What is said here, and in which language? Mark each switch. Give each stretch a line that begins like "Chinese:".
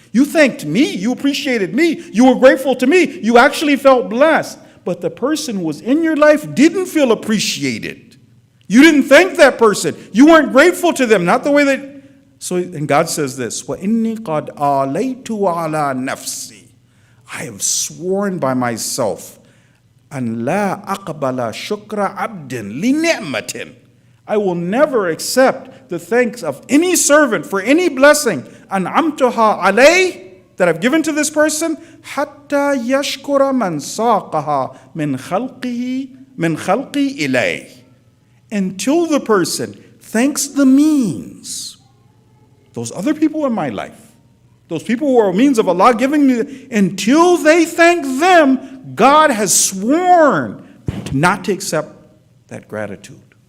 English: You thanked me, you appreciated me, you were grateful to me, you actually felt blessed. But the person who was in your life didn't feel appreciated. You didn't thank that person. You weren't grateful to them, not the way that." So, and God says this,
Arabic: وَإِنِّي قَدْ أَعْلَيْتُ عَلَىٰ نَفْسِي.
English: I have sworn by myself,
Arabic: أَنْ لَا أَقْبَلَ شُكْرَ عَبْدٍ لِنِعْمَةٍ.
English: I will never accept the thanks of any servant for any blessing,
Arabic: أَنْعَمْتُهَا عَلَيْهِ,
English: that I've given to this person,
Arabic: حَتَّى يَشْكُرَ مَنْ سَاقَهَا مِنْ خَلْقِي إِلَيْهِ.
English: Until the person thanks the means, those other people in my life, those people who are means of Allah giving me, until they thank them, God has sworn not to accept that gratitude.